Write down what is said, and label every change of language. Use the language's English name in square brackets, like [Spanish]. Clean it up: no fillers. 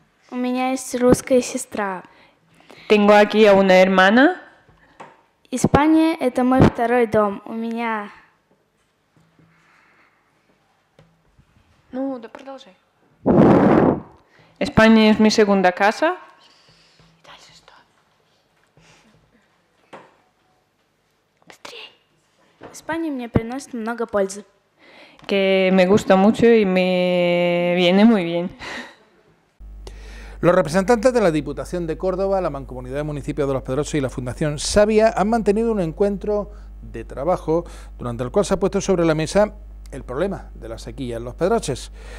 [Russian] У меня есть русская сестра. [Spanish] Tengo aquí a una hermana. España es mi segundo hogar. [Russian] У меня. Ну, да продолжай. [Spanish] España es mi segunda casa. España me [Russian] приносит много пользы. [Spanish] Que me gusta mucho y me viene muy bien. Los representantes de la Diputación de Córdoba, la Mancomunidad de Municipios de Los Pedrosos y la Fundación Sabia han mantenido un encuentro de trabajo durante el cual se ha puesto sobre la mesa el problema de la sequía en Los Pedroches.